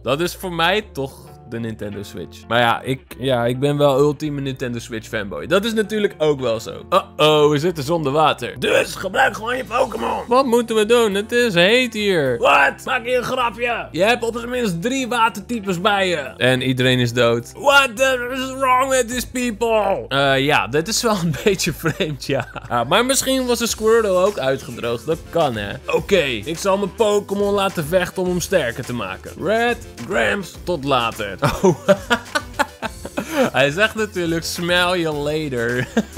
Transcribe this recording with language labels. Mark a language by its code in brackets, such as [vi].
[nl] Dat is voor mij toch de Nintendo Switch. Maar ja, ik ben wel ultieme Nintendo Switch fanboy. Dat is natuurlijk ook wel zo. Uh-oh, we zitten zonder water. Dus gebruik gewoon je Pokémon. Wat moeten we doen? Het is heet hier. Wat? Maak je een grapje? Je hebt op zijn minst 3 watertypes bij je. En iedereen is dood. [en] What the is wrong with these people? [nl] Ja, dat is wel een beetje vreemd, ja. Maar misschien was de Squirtle ook uitgedroogd. Dat kan, hè. Oké, ik zal mijn Pokémon laten vechten om hem sterker te maken. Red, Gramps, tot later. Oh, hij zegt natuurlijk, [en] smell you later.